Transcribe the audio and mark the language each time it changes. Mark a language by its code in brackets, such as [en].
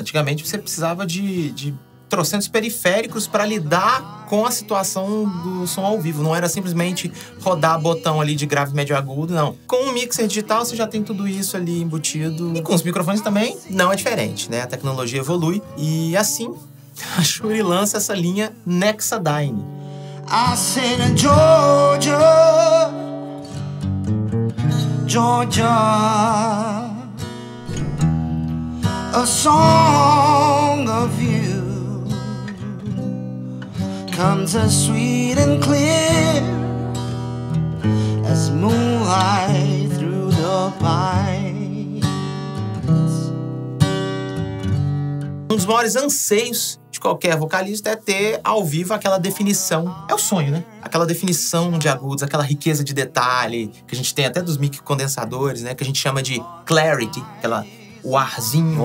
[pt] Antigamente você precisava de trocentos periféricos para lidar com a situação do som ao vivo. Não era simplesmente rodar botão ali de grave, médio, agudo, não. Com um mixer digital, você já tem tudo isso ali embutido. E com os microfones também, não é diferente, né? A tecnologia evolui e assim a Shure lança essa linha Nexadyne. [en] I said Georgia, Georgia, a song of you comes as sweet and clear as moonlight through the pine. [pt] Um dos maiores anseios de qualquer vocalista é ter ao vivo aquela definição. É o sonho, né? Aquela definição de agudos, aquela riqueza de detalhe que a gente tem até dos mic condensadores, né? Que a gente chama de clarity, aquela... O arzinho,